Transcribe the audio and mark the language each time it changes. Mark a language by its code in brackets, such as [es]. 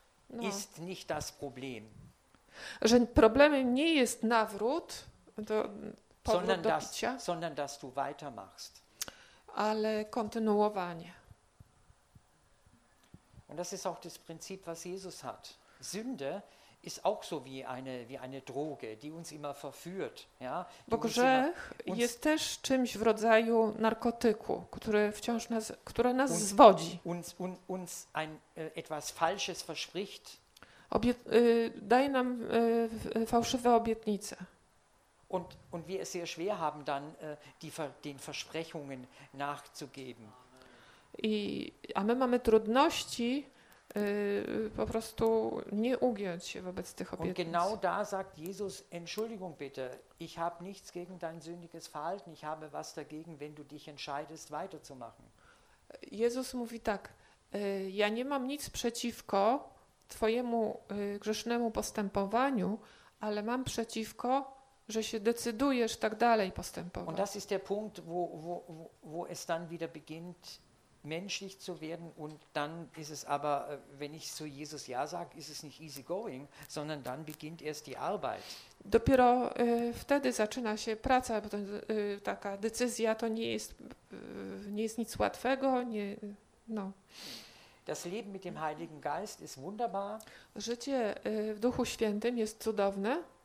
[de] no, ist nicht das Problem. [pl] Że problemem nie jest nawrót, to [de] sondern [pl] do picia, [de] sondern dass du weitermachst. [pl] Ale kontynuowanie. [de] Und das ist auch das Prinzip, was Jesus hat. Sünde ist auch so wie eine Droge, die uns immer verführt, ja? [pl] Bo grzech jest też czymś w rodzaju narkotyku, który wciąż nas, które nas zwodzi. [de] Uns ein etwas falsches verspricht. [pl] Daje nam fałszywe obietnice. [de] Und wir es sehr schwer haben dann den Versprechungen nachzugeben. [pl] A my mamy trudności po prostu nie ugiąć się wobec tych obietnic. [de] Und genau da sagt Jesus: Entschuldigung bitte, ich habe nichts gegen dein sündiges Verhalten, ich habe was dagegen, wenn du dich entscheidest weiterzumachen. [pl] Jezus mówi tak: ja nie mam nic przeciwko twojemu grzesznemu postępowaniu, ale mam przeciwko, że się decydujesz tak dalej postępować. [de] Und das ist der Punkt, wo es dann wieder beginnt menschlich zu werden, und dann ist es aber, wenn ich zu Jesus ja sage, ist es nicht [en] easy going, [de] sondern dann beginnt erst die Arbeit. [pl] Dopiero wtedy zaczyna się praca, bo taka decyzja to nie jest nic łatwego, nie, no. [de] Das Leben mit dem Heiligen Geist ist wunderbar. [pl] Życie w Duchu Świętym jest cudowne.